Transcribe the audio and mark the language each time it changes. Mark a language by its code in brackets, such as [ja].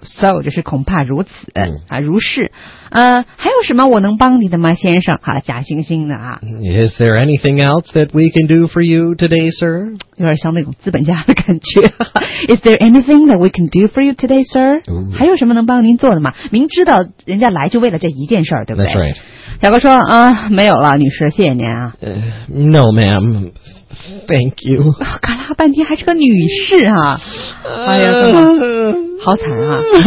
[zh] So 就是恐怕如此、啊、如是。还有什么我能帮你的吗，先生？哈、啊，假惺惺的啊。 [en] Is there anything else that we can do for you today, sir? [zh] 有点像那种资本家的感觉。 [en] Is there anything that we can do for you today, sir?、 Ooh. [zh] 还有什么能帮您做的吗？明知道人家来就为了这一件事儿，对不对 [en] ？That's right. [zh] 小哥说啊，没有了，女士，谢谢您啊。 [en] No, ma'am. Thank you. [zh] 卡拉半天还是个女士啊！哎呀，怎么好惨啊！